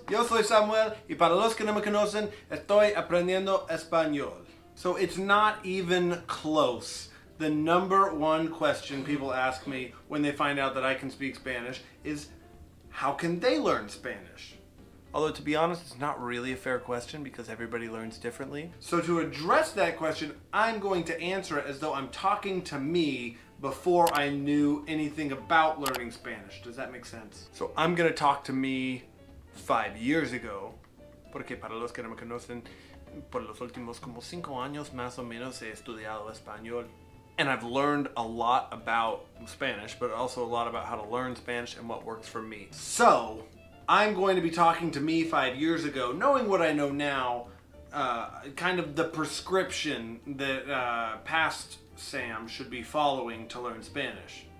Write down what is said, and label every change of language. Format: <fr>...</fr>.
<es>soy Samuel y para los que no me conocen, estoy aprendiendo español.</es> <en>So it's not even close. The number one question people ask me when they find out that I can speak Spanish is, how can they learn Spanish? Although to be honest, it's not really a fair question because everybody learns differently. So to address that question, I'm going to answer it as though I'm talking to me before I knew anything about learning Spanish. Does that make sense? So I'm gonna talk to me 5 years ago,</en> <es>porque para los que no me conocen, por los últimos como 5 años más o menos he estudiado español.</es> <en>And I've learned a lot about Spanish, but also a lot about how to learn Spanish and what works for me. So I'm going to be talking to me 5 years ago, knowing what I know now, kind of the prescription that past Sam should be following to learn Spanish.</en>